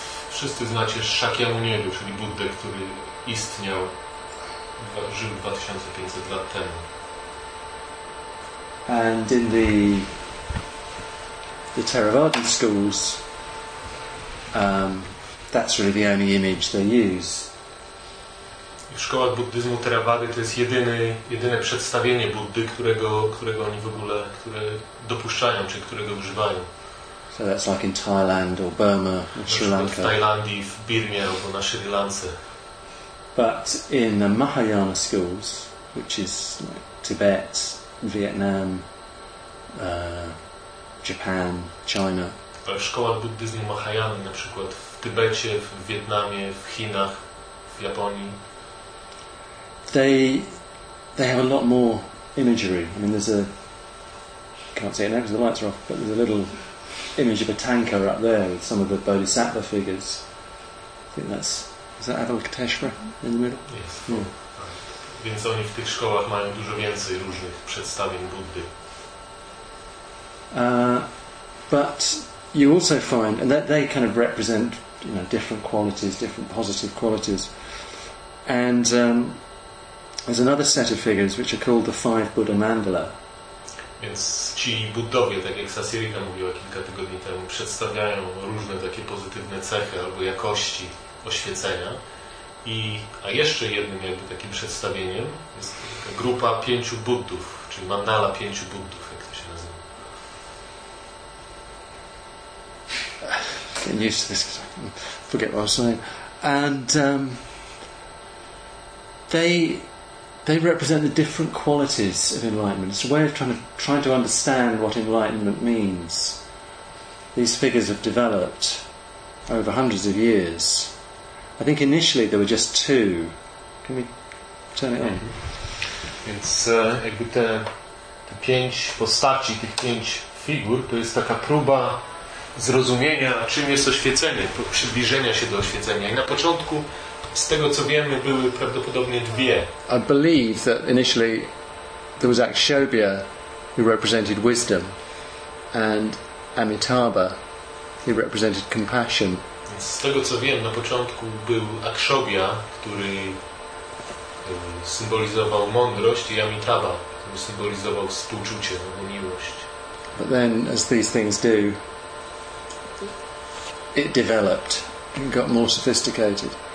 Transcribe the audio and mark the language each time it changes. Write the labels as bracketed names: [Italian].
[Polish] Wszyscy znacie Shakyamuniego, czyli Buddę, który istniał, żył 2500 lat temu. [English] And in the Theravada schools, that's really the only image they use. [Polish] W szkołach buddyzmu Theravady to jest jedyne przedstawienie Buddy, którego oni w ogóle dopuszczają, czy którego używają. [English] So that's like in Thailand or Burma or Sri Lanka. [Polish] W Tajlandii, w Birmie albo na Sri Lance. [English] But in the Mahayana schools, which is like Tibet, Vietnam, Japan, China. [Polish] W szkołach buddyzmu Mahayana, na przykład w Tybecie, w Wietnamie, w Chinach, w Japonii. [English] They have a lot more imagery. I mean, there's a, can't see it now because the lights are off, but there's a little image of a tanker up there with some of the Bodhisattva figures. I think that's, is that Avalokiteshvara in the middle? Yes. Yeah. [Polish] Więc oni w tych szkołach mają dużo więcej różnych przedstawień Buddy. [English] But you also find, and that they kind of represent, you know, different qualities, different positive qualities. And there's another set of figures which are called the five Buddha Mandala. [Polish] Więc ci buddowie, tak jak Sasirika mówiła kilka tygodni temu, przedstawiają różne takie pozytywne cechy albo jakości oświecenia. I, a jeszcze jednym jakby takim przedstawieniem jest taka grupa pięciu buddów, czyli mandala pięciu buddów, jak to się nazywa. [English] Getting used to this because I forget what I was saying. And they represent the different qualities of enlightenment. It's a way of trying to understand what enlightenment means. These figures have developed over hundreds of years. I think initially there were just two. Can we turn it on? [Polish] Więc jakby te pięć postaci, tych pięć figur, to jest taka próba zrozumienia, czym jest oświecenie, przybliżenia się do oświecenia. I na początku, z tego co wiemy, były prawdopodobnie dwie. [English] I believe that initially there was Akshobhya, who represented wisdom, and Amitabha, who represented compassion. [Polish] Z tego co wiem, na początku był Akshobhya, który symbolizował mądrość, i Amitabha, który symbolizował współczucie albo miłość. [English] But then, as these things do, it developed and got more sophisticated.